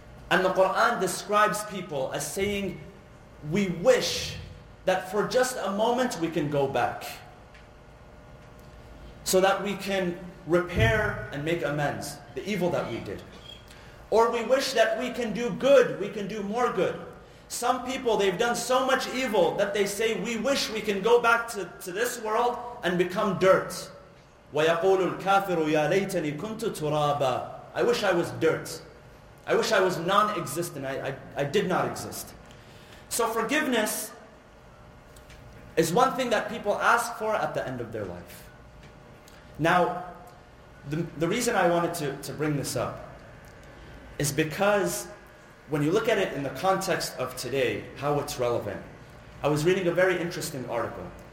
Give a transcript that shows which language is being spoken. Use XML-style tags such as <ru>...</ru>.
<en>And the Qur'an describes people as saying, we wish that for just a moment we can go back, so that we can repair and make amends the evil that we did. Or we wish that we can do good, we can do more good. Some people, they've done so much evil that they say, we wish we can go back to this world and become dirt.</en> <ar>وَيَقُولُ الْكَافِرُ يَا لَيْتَنِي كُنْتُ تُرَابًا</ar> <en>I wish I was dirt. I wish I was non-existent. I did not exist. So forgiveness is one thing that people ask for at the end of their life. Now, the reason I wanted to bring this up is because when you look at it in the context of today, how it's relevant, I was reading a very interesting article.</en>